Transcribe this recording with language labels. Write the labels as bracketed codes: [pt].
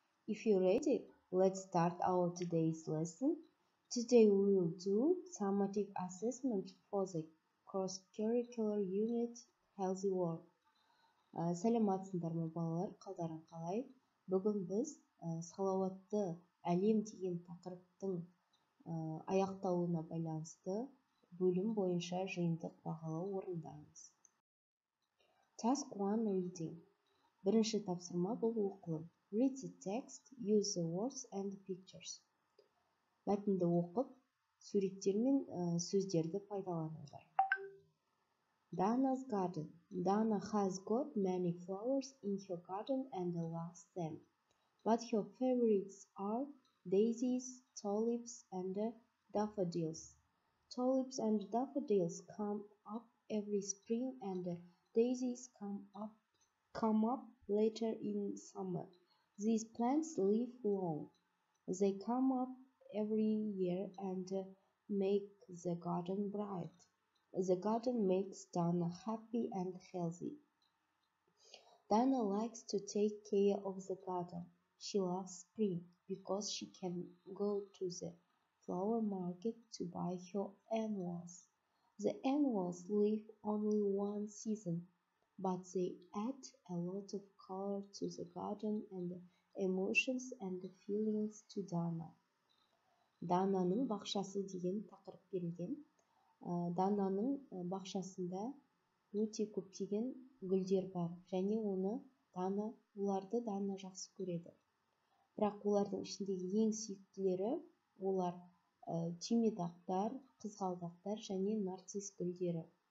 [en] If you're ready, let's start our today's lesson. Today we will do summative assessment for the cross-curricular unit Healthy World. [kk] Саламатсыңдар ма, балалар? Қалдарың қалай? Бүгін біз салауатты әлем деген тақырыптың аяқталуына байланысты бөлім бойынша жиынтық бағалау орындаймыз. [en] Task 1 Reading. [kk] Бірінші тапсырма бұл оқылым. [en] Read the text, use the words and the pictures. [kk] Мәтінді оқып, суреттер мен сөздерді пайдаланыңдар. [en] Dana's garden. Dana has got many flowers in her garden and loves them. But her favorites are daisies, tulips and daffodils. Tulips and daffodils come up every spring and daisies come up later in summer. These plants live long. They come up every year and make the garden bright. The garden makes Dana happy and healthy. Dana likes to take care of the garden. She loves spring because she can go to the flower market to buy her annuals. The annuals live only one season, but they add a lot of color to the garden and emotions and feelings to Dana. [tr] Dana'nın bahçesi [kk] деген тақырып берілген. Дананың бақшасында өте көптеген гүлдер бар, және оны Дана, оларды Дана жақсы көреді. Бірақ олардың ішіндегі ең сүйіктілері олар түймедақтар, қызғалдақтар және нарцисс гүлдері.